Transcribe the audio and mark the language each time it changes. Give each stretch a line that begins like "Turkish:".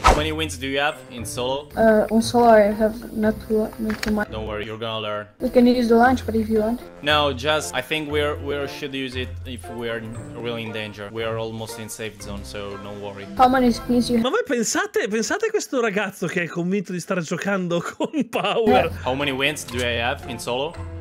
English: How many wins do you have in solo? In solo, I have not too much. Don't worry, you're gonna learn. You can use the launch, but if you want. No, just. I think we're should use it if we're really in danger. We are almost in safe zone, so don't worry. How many skins you have?
Italian: Ma voi pensate a questo ragazzo che è convinto di stare giocando con Power!
English: Yeah. How many wins do I have in solo?